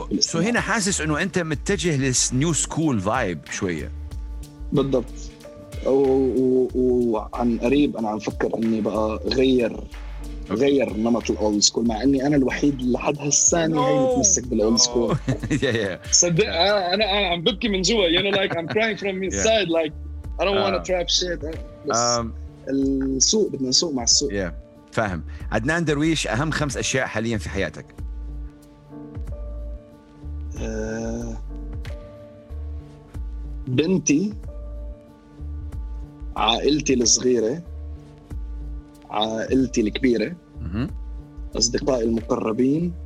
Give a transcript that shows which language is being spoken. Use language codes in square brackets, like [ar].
[ar] سو هنا حاسس إنه أنت متجه للنيو سكول فايب شوية. بالضبط. وعن قريب أنا عم فكر إني بقى غير نمط الأولد سكول، مع إني أنا الوحيد لحد هالثانية هاي متمسك بالأولد سكول. صدق أنا عم ببكي من جوا، [en] you know like I'm crying from inside. Like I don't want to trap shit. [ar] السوق، بدنا نسوق مع السوق. yeah. فاهم. عدنان درويش، أهم خمس أشياء حاليا في حياتك. بنتي، عائلتي الصغيرة، عائلتي الكبيرة، أصدقائي المقربين.